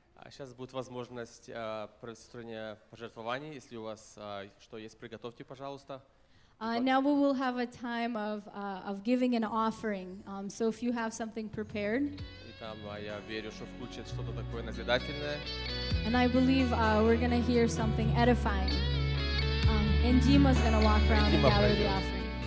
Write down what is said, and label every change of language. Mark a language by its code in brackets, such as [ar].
[ru] Сейчас будет возможность предоставления пожертвований. Если у вас что есть, приготовьте, пожалуйста. [en] Now we will have a time of giving an offering. So if you have something prepared. [ru] И там я верю, что включат что-то такое назидательное. [en] And I believe we're going to hear something edifying. And Dima's going to walk around and gather the offering.